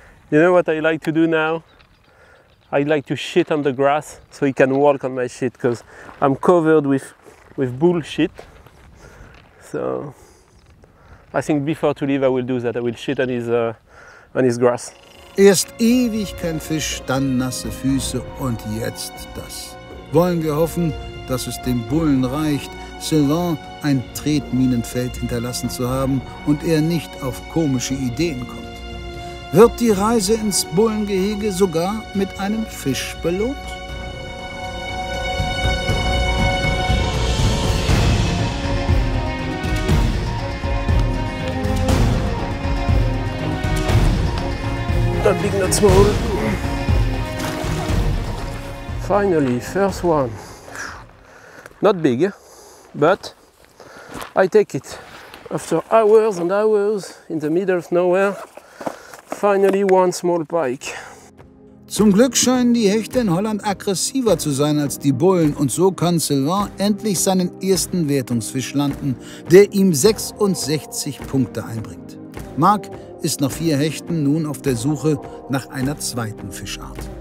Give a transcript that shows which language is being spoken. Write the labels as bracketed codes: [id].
[en] You know what I like to do now? I'd like to shit on the grass so he can walk on my shit because I'm covered with bullshit. So I think before to leave I will do that. I will shit on his grass. [de] Erst ewig kein Fisch, dann nasse Füße und jetzt das. Wollen wir hoffen, dass es dem Bullen reicht, Sylvain ein Tretminenfeld hinterlassen zu haben und er nicht auf komische Ideen kommt. Wird die Reise ins Bullengehege sogar mit einem Fisch belohnt? Da liegen noch zwei. [en] Finally, first one. Not big, but I take it. After hours and hours in the middle of nowhere, finally one small pike. [de] Zum Glück scheinen die Hechte in Holland aggressiver zu sein als die Bullen. Und so kann Sylvain endlich seinen ersten Wertungsfisch landen, der ihm 66 Punkte einbringt. Marc ist nach vier Hechten nun auf der Suche nach einer zweiten Fischart.